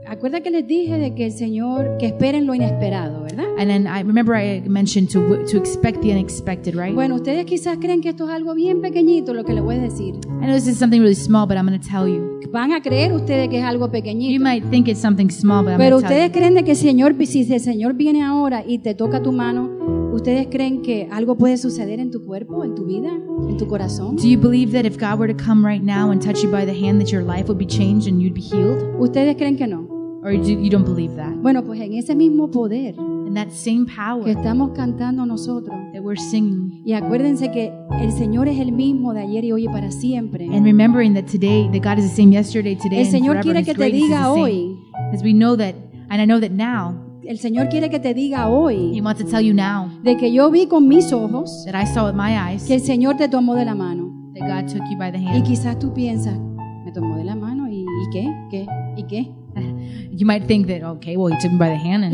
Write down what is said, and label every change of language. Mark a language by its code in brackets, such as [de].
[es] Acuerda que les dije de que el Señor que esperen lo inesperado, ¿verdad? [en] And then I remember I mentioned to expect the unexpected, right? [es] Bueno, ustedes quizás creen que esto es algo bien pequeñito lo que les voy a decir. [en] I know this is something really small, but I'm going to tell you. [es] Van a creer ustedes que es algo pequeñito. [en] You might think it's something small, but I'm going to tell you. [es] Pero ustedes creen de que si el Señor viene ahora y te toca tu mano, ¿ustedes creen que algo puede suceder en tu cuerpo, en tu vida, en tu corazón? [en] Do you believe that if God were to come right now and touch you by the hand, that your life would be changed and you'd be healed? [es] ¿Ustedes creen que no? [en] Or you don't believe that? [es] Bueno, pues en ese mismo poder, [en] in that same power [es] que estamos cantando nosotros, [en] that we're singing, [es] y acuérdense que el Señor es el mismo de ayer y hoy y para siempre. [en] And remembering that today, that God is the same yesterday, today, [es] el Señor [en] and forever. [es] Quiere que te diga hoy, [en] as we know that, and I know that now, [es] el Señor quiere que te diga hoy, [en] he wants to tell you now, [es] de que yo vi con mis ojos, [en] that I saw with my eyes, [es] que el Señor te tomó de la mano, [en] that God took you by the hand. [es] Y quizás tú piensas, me tomó de la mano, ¿y qué? [en] You might think that, okay, well, he took me by the hand, and